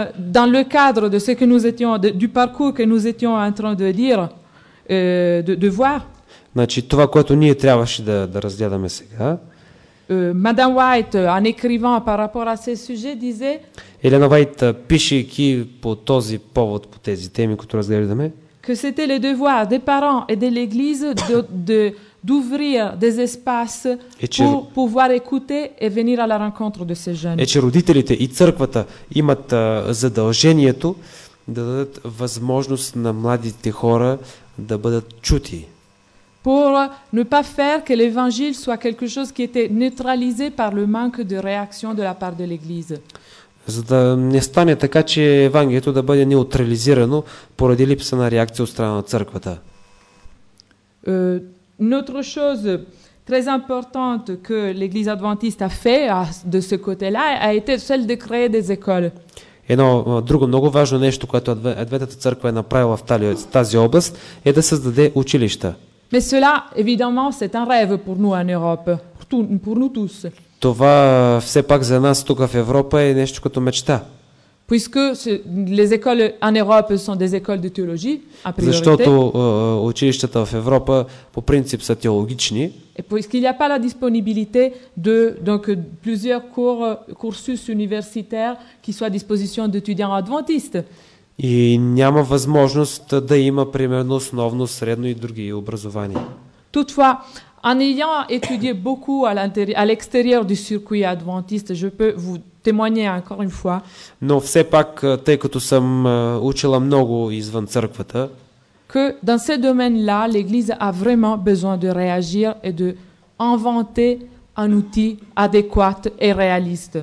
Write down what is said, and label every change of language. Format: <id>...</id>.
<fr>Dans le cadre de ce que nous étions du parcours que nous étions en train de dire de voir.</fr> <bg>Значи това, което ние трябваше да разгледаме сега.</bg> <fr>Madame White, en écrivant par rapport à ce sujet, disait.</fr> <bg>Елена Вайт, пишейки по този повод, по тези теми, които разгледаме.</bg> <fr>Que c'était le devoir des parents et de l'Église d'ouvrir des espaces pour pouvoir écouter et venir à la rencontre de ces jeunes. Et que</fr> <bg>родителите и църквата имат задължението да дадат възможност на младите хора да бъдат чути.</bg> <fr>Pour ne pas faire que l'Évangile soit quelque chose qui était neutralisé par le manque de réaction de la part de l'Église.</fr> <bg>За да не стане така, че Евангелието да бъде неутрализирано поради липса на реакция от страна на църквата.</bg> <fr>Notre chose très importante que l'Église adventiste a fait de ce côté-là a été celle de créer des écoles.</fr> <bg>Едно друго много важно нещо, което Адвентната църква е направила в тази област, е да създаде училища.</bg> <fr>Mais cela évidemment c'est un rêve pour nous en Europe, pour nous tous.</fr> <bg>Това все пак за нас тук в Европа е нещо като мечта.</bg> <fr>Puisque les écoles en Europe sont des écoles de théologie, a priori.</fr> <bg>Защото училищата в Европа по принцип са теологични.</bg> <fr>Et puisqu'il n'y a pas la disponibilité de donc plusieurs cursus universitaires qui soient à disposition d'étudiants adventistes.</fr> <bg>И няма възможност да има примерно основно, средно и други образования.</bg> <fr>Toutefois, en ayant étudié beaucoup à l'extérieur du circuit adventiste, je peux vous témoigner encore une fois.</fr> <bg>Но все пак, тъй като съм учила много извън църквата,</bg> <fr>que dans ce domaine-là, l'Église a vraiment besoin de réagir et de inventer un outil adéquat et réaliste.</fr>